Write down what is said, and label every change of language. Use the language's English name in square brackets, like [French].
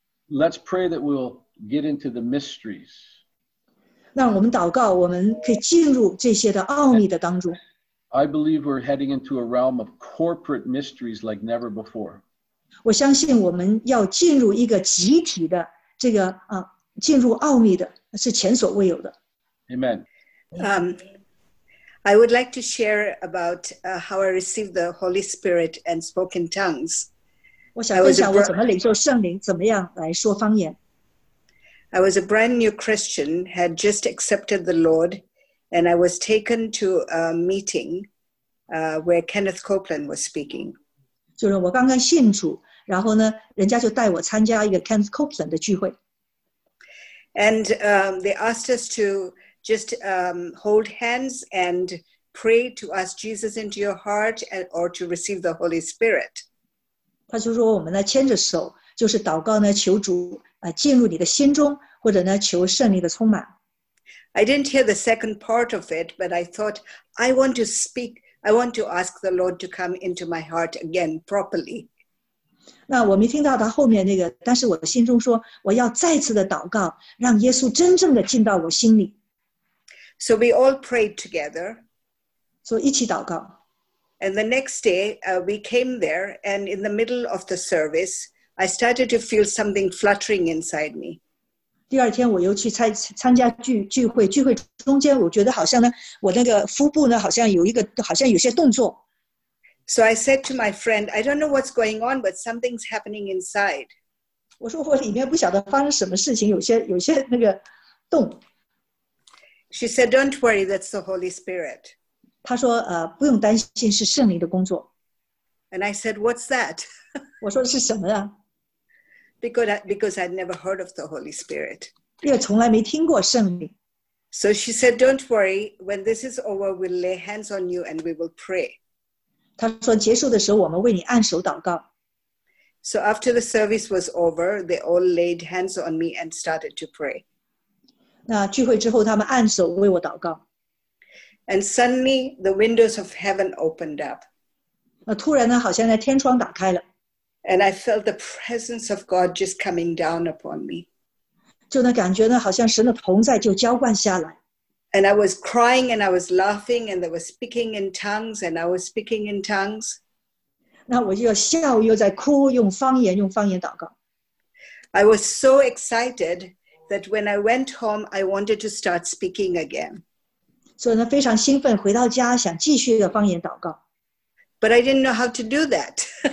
[English] Let's pray that we'll get into the mysteries. [Chinese] 让我们祷告我们可以进入这些的奥秘的当中。 [English] I believe we're heading into a realm of corporate mysteries like never before. [Chinese] 我相信我们要进入一个集体的这个, 进入奥秘的, 是前所未有的。 [English] Amen. I would like to share about how I received the Holy Spirit and spoke in tongues. [Chinese] 我想分享我怎么领受圣灵, 怎么样来说方言。 [English] I was a brand new Christian, had just accepted the Lord, and I was taken to a meeting where Kenneth Copeland was speaking. [Chinese] 就是我刚刚信主, 然后呢, 人家就带我参加一个 Kenneth Copeland的聚会。 [English] And they asked us to just hold hands and pray to ask Jesus into your heart or to receive the Holy Spirit. [Chinese] 他就说我们呢牵着手, 就是祷告呢, 求主, 进入你的心中, 或者呢, 求圣灵的充满。 [English] I didn't hear the second part of it, but I thought, I want to speak, I want to ask the Lord to come into my heart again properly. [Chinese] 那我没听到他后面那个, 但是我的心中说, 我要再次的祷告, 让耶稣真正的进到我心里。 [English] So we all prayed together. [Chinese] So 一起祷告。 [English] And the next day, we came there, and in the middle of the service, I started to feel something fluttering inside me. [Chinese] 第二天我又去参加聚会, 聚会中间我觉得好像呢, 我那个腹部呢, 好像有一个, 好像有些动作。 [English] So I said to my friend, I don't know what's going on, but something's happening inside. [Chinese] 我说我里面不晓得发生什么事情, 有些那个动。 [English] She said, don't worry, that's the Holy Spirit. [Chinese] 她说, 不用担心是圣灵的工作。 [English] And I said, what's that? [Chinese] 我说是什么啊? [English] Because I'd never heard of the Holy Spirit. [Chinese] 因为从来没听过圣灵。 [English] So she said, don't worry, when this is over, we'll lay hands on you and we will pray. [Chinese] 她说结束的时候我们为你按手祷告。 [English] So after the service was over, they all laid hands on me and started to pray. [Chinese] 那聚会之后他们按手为我祷告。 [English] And suddenly the windows of heaven opened up. [Chinese] 那突然呢好像在天窗打开了。 [English] And I felt the presence of God just coming down upon me. [Chinese] 就那感觉呢好像神的同在就浇灌下来。 [English] And I was crying and I was laughing and they were speaking in tongues and I was speaking in tongues. [Chinese] 那我又笑又在哭用方言祷告。 [English] I was so excited that when I went home, I wanted to start speaking again. [Chinese] 所以呢非常兴奋回到家想继续的方言祷告。 [English] But I didn't know how to do that.